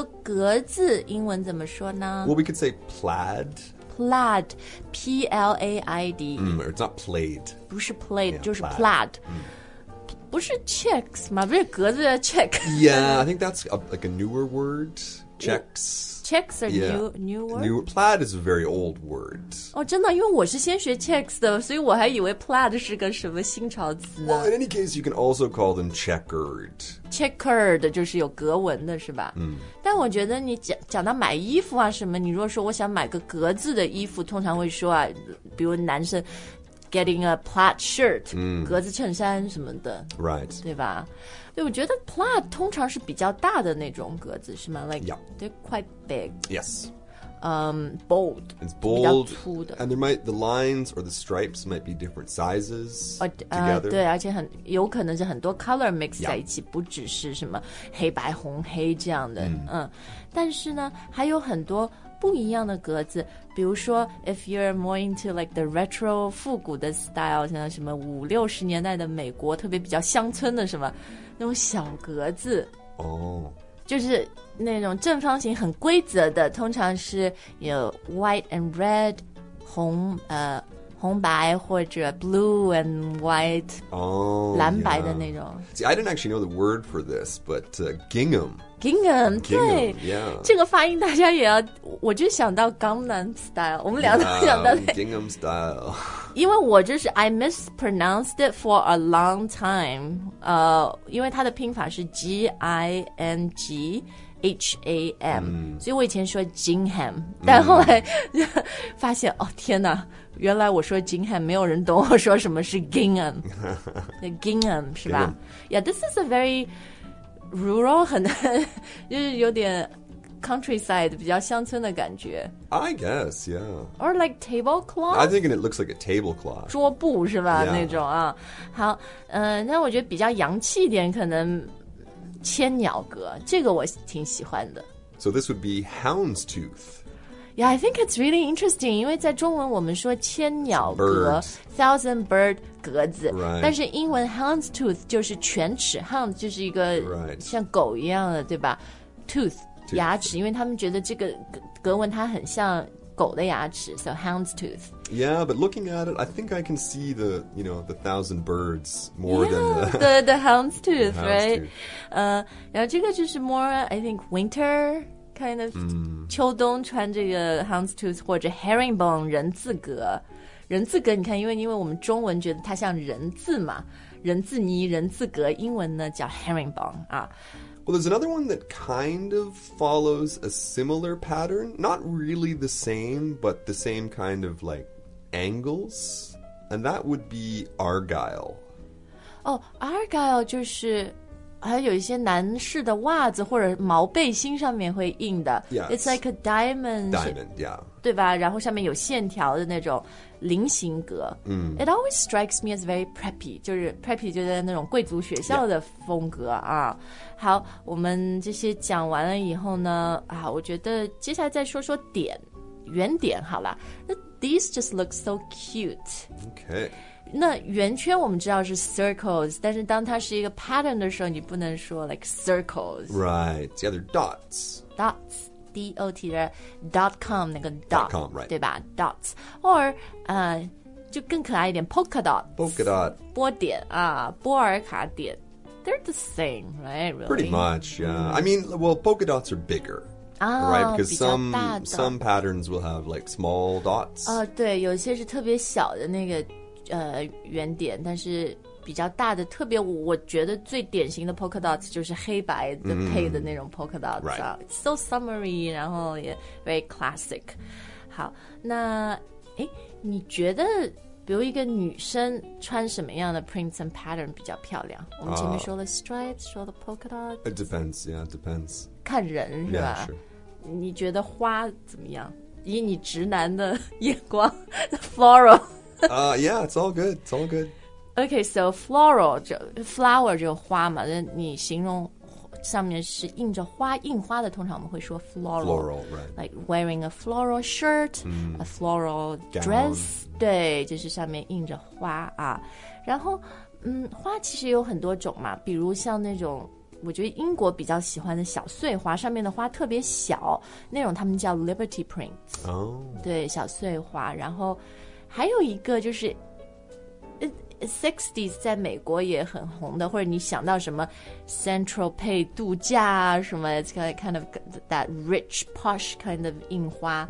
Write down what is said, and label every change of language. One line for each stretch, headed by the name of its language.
Chinese: so 格子英文怎么说呢
English: Well, we could say plaid Plaid, P-L-A-I-D、 mm, or It's not plaid
Chinese: 不是 plaid,
English: yeah,
Chinese: 就是 plaid、 mm. 不是 checks 吗不是格子的 check
English: Yeah, I think that's a, like a newer word, checks Checks are、 yeah. new word? Plaid is a very old word.
Chinese: Oh, 真的因为我是先学 checks 的所以我还以为 plaid 是个什么新潮词呢
English: Well, in any case, you can also call them checkered.
Chinese: Checkered 就是有格纹的是吧、 mm. 但我觉得你 讲到买衣服啊什么你如果说我想买个格子的衣服通常会说啊比如男生
English: getting a plaid shirt,、 mm.
Chinese: 格子衬衫什么的。
English: Right.
Chinese: 对吧对我觉得 plaid 通常是比较大的那种格子是吗 like、
English: yeah. they're quite big yes、 bold it's bold
Chinese: 比较粗的
English: and there might the lines or the stripes might be different sizes together
Chinese: 对而且很有可能是很多 color mix 在一起、yeah. 不只是什么黑白红黑这样的、mm. 但是呢还有很多不一样的格子比如说
English: if you're more into like the retro
Chinese: 复古的 style 像什么五六十年代的美国特别比较乡村的什么那种小格子哦、oh. 就是那种正方形很规则的通常是有
English: white and red
Chinese: 红白或者
English: blue and white 哦、oh,
Chinese: 蓝白的那种、
English: yeah. See, I didn't actually know the word for this but gingham
Chinese: Gingham, 对
English: Gingham,、yeah.
Chinese: 这个发音大家也要我就想到 Gangnam Style 我们俩都想到
English: yeah, Gingham Style
Chinese: 因为我就是
English: I mispronounced it for a long time、
Chinese: 因为它的拼法是 G-I-N-G-H-A-M、 mm. 所以我以前说 Gingham 但后来、mm. 发现哦天哪原来我说 Gingham 没有人懂我说什么是 Gingham Gingham 是吧
English: Gingham. Yeah, this is a veryRural
Chinese: 很就是有点 countryside 比较乡村的感觉
English: I guess, yeah Or like tablecloth I think it looks like a tablecloth
Chinese: 桌布是吧、
English: yeah.
Chinese: 那种啊好那我觉得比较洋气一点可能千鸟格这个我挺喜欢的
English: So this would be houndstooth Yeah, I think it's really interesting
Chinese: 因为在中文我们说千鸟格
English: bird. Thousand bird格子、 right.
Chinese: 但是英文 hound's tooth 就是犬齿 hound 就是一个像狗一样的对吧 tooth,
English: tooth
Chinese: 牙齿因为他们觉得这个格纹它很像狗的牙齿
English: so hound's tooth yeah but looking at it I think I can see the you know the thousand birds more yeah, than the hound's tooth the hound's right tooth.
Chinese: 然后这个就是
English: more I think winter kind of、 mm.
Chinese: 秋冬穿这个 hound's tooth 或者 herringbone 人字格人字格你看因为我们中文觉得它像人字嘛人字泥人字格英文呢叫 herringbone、啊、
English: Well there's another one that kind of follows a similar pattern not really the same but the same kind of like angles and that would be argyle
Chinese: Oh argyle 就是还有一些男士的袜子或者毛背心上面会印的、
English: yes. It's like a diamond Diamond, yeah
Chinese: 对吧然后上面有线条的那种菱形格、 mm.
English: It always strikes me as very preppy 就是 preppy
Chinese: 就在那种贵族学校的风格啊、
English: yeah.
Chinese: 好我们这些讲完了以后呢啊，我觉得接下来再说说点圆点好了
English: These just look so cute Okay
Chinese: 那圆圈我们知道是 circles, 但是当它是一个 pattern 的时候你不能说
English: like circles. Right, yeah, they're dots. Dots, D-O-T, dot com, 那个 dot. Dot com, right.
Chinese: 对吧 dots. Or, 就更可爱一点 polka dot.
English: Polka dot.
Chinese: 波点啊波尔卡点
English: They're the same, right?、
Chinese: Really?
English: Pretty much, yeah.、Mm. I mean, well, polka dots are bigger. Oh, right, because some patterns will have like small dots.
Chinese: 对，有些是特别小的那个圆点，但是比较大的，特别我觉得最典型的 polka dots 就是黑白的配的那种 polka dots.
English: Right, so summery,
Chinese: 然后也
English: very classic.
Chinese: 好，那你觉得比如一个女生穿什么样的 prints and pattern 比较漂亮？我们前面说了 stripes, 说了 polka dots.
English: It depends. Yeah, it depends.
Chinese: 看人是吧
English: yeah,、sure.
Chinese: 你觉得花怎么样以你直男的眼光 floral
English: yeah it's all good it's all good
Chinese: okay so floral 就 flower 就花嘛你形容上面是印着花印花的通常我们会说 floral
English: right like wearing a floral shirt、mm. a floral dress、 Gown.
Chinese: 对就是上面印着花啊然后花其实有很多种嘛比如像那种我觉得英国比较喜欢的小碎花上面的花特别小那种他们叫 Liberty Prints、 oh. 对小碎花然后还有一个就是 60s 在美国也很红的或者你想到什么 Central Pay 度假什么
English: It's kind of that rich posh kind of
Chinese: 印花